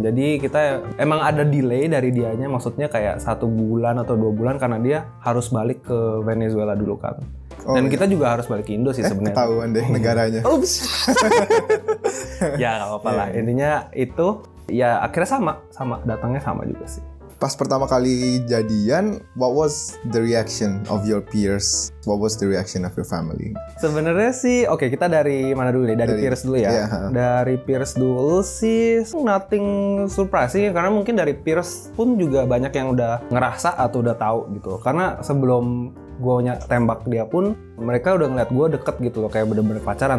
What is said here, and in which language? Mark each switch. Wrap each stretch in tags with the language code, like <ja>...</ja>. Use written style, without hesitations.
<id>Jadi kita emang ada delay dari dianya, maksudnya kayak 1 bulan atau 2 bulan karena dia harus balik ke Venezuela dulu kan. Oh, dan kita juga harus balik ke Indo sih sebenarnya. Ketahuan deh negaranya. Oops. Ya nggak apa-apa lah. Intinya itu. Ya akhirnya sama datangnya sama juga sih. Pas pertama kali jadian,</id> <en>what was the reaction of your peers? What was the reaction of your family?</en> <id>Sebenarnya sih, oke, kita dari mana dulu nih? Dari peers dulu ya. Yeah. Dari peers dulu sih,</id> <en>nothing surprise</en> <id>sih. Karena mungkin dari peers pun juga banyak yang udah ngerasa atau udah tahu gitu. Karena sebelum gue tembak dia pun, mereka udah ngeliat gue deket gitu loh, kayak bener-bener pacaran.</id>